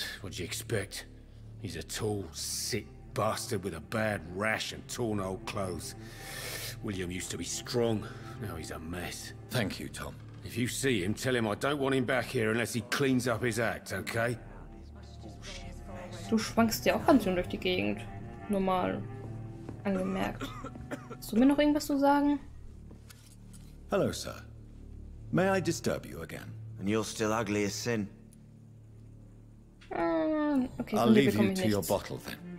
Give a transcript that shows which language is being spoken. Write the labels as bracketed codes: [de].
[en] What'd you expect? He's a tall, sick bastard with a bad rash and torn old clothes. William used to be strong. Now he's a mess. Thank you, Tom. If you see him, tell him I don't want him back here unless he cleans up his act, okay? [de] Du schwankst ja auch ganz schön durch die Gegend. Normal. Angemerkt. Hast du mir noch irgendwas zu sagen? [en] Hello, sir. May I disturb you again? And you're still ugly as sin. Okay, I'll leave you to your bottle then.